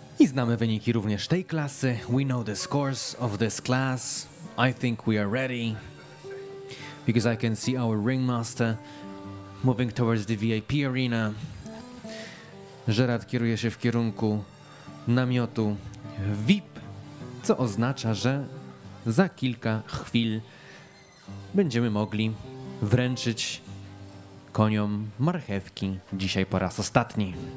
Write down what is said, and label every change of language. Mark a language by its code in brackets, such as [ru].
[pl] Znamy wyniki również tej klasy. [en] We know the scores of this class. I think we are ready. Because I can see our ringmaster moving towards the VIP arena. [pl] Gerard kieruje się w kierunku namiotu VIP, co oznacza, że za kilka chwil będziemy mogli wręczyć koniom marchewki dzisiaj po raz ostatni.